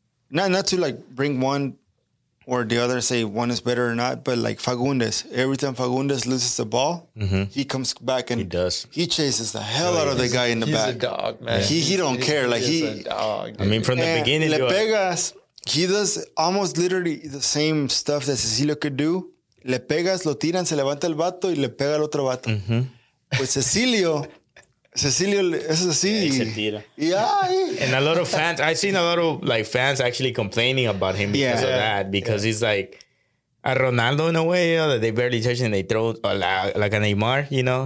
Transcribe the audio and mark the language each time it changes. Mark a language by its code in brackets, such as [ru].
[en] Not to like bring one or the other, say one is better or not, but like Fagundes, every time Fagundes loses the ball, mm-hmm. he comes back and he does. He chases the hell out of the guy in the back. He's a dog, man. He doesn't care. He's a dog. I mean, from the beginning. Le pegas, he does almost literally the same stuff that Cecilio could do. [es] Le pegas, lo tiran, se levanta el vato y le pega el otro vato. Mm-hmm. Pues Cecilio... Cecilio, eso sí. [en] And a lot of fans, I've seen a lot of like fans actually complaining about him because of that. Because he's like a Ronaldo in a way, you know, that they barely touch and they throw like a Neymar, you know?